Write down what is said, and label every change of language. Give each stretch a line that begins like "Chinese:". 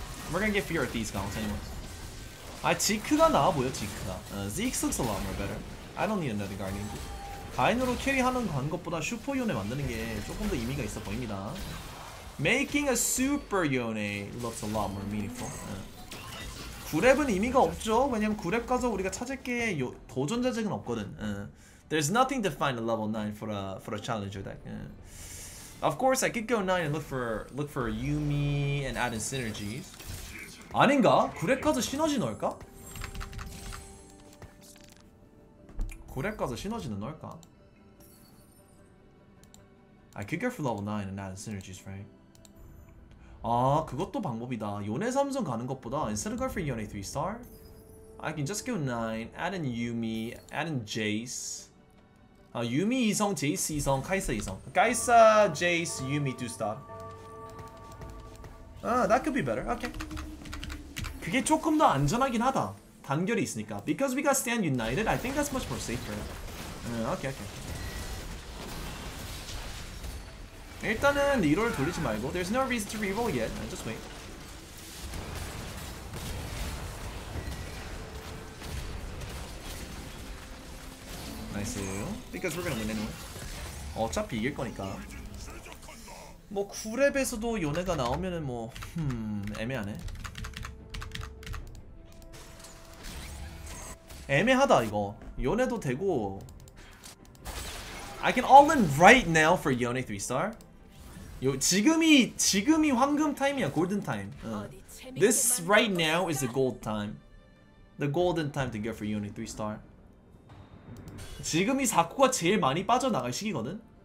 English: We're gonna get Fiora at these guns, anyways.
Korean: 아, 지크가 나아 보여, 지크가.
English: Zeke looks a lot more better. I don't need another guardian.
Korean: 가인으로 캐리하는 것보다 슈퍼 요네 만드는 게 조금 더 의미가 있어 보입니다.
English: Making a super yone looks a lot more meaningful.
Korean: 구랩은 의미가 없죠. 왜냐면 구랩 가서 우리가 찾을 게 요, 도전자직은 없거든.
English: There's nothing to find a level 9 for a challenger deck. Of course, I could go 9 and look for Yumi and add in synergies.
Korean: 아닌가? 구랩 가서 시너지 넣을까? 구랩 가서 시너지는 넣을까?
English: I could go for level 9 and add in synergies, right?
Korean: 아, 그것도 방법이다. 요네 삼성 가는 것보다
English: instead of going for Yone 3 star, I can just go 9, add in Yumi, add in Jace.
Korean: 아, 유미 2성, 제이스 2성, 카이사 2성. 카이사, 제이스, 유미 2스타.
English: 아, that could be better. Okay.
Korean: 그게 조금 더 안전하긴 하다. 단결이 있으니까.
English: Because we got Stand United, I think that's much more safer. Okay, okay.
Korean: 일단은 리롤 돌리지 말고.
English: There's no reason to reroll yet. Just wait. 나이스. Because we're gonna win anyway.
Korean: 어차피 이길 거니까. 뭐 9랩에서도 요네가 나오면은 뭐 애매하네. 애매하다 이거. 요네도 되고.
English: I can all in right now for Yone 3 star.
Korean: 요 지금이 황금 타임이야.
English: 골든 타임. This right now is the gold time. The golden time to go for Yone 3 star.
Korean: 지금이 4코가 제일 많이 빠져나갈 시기거든.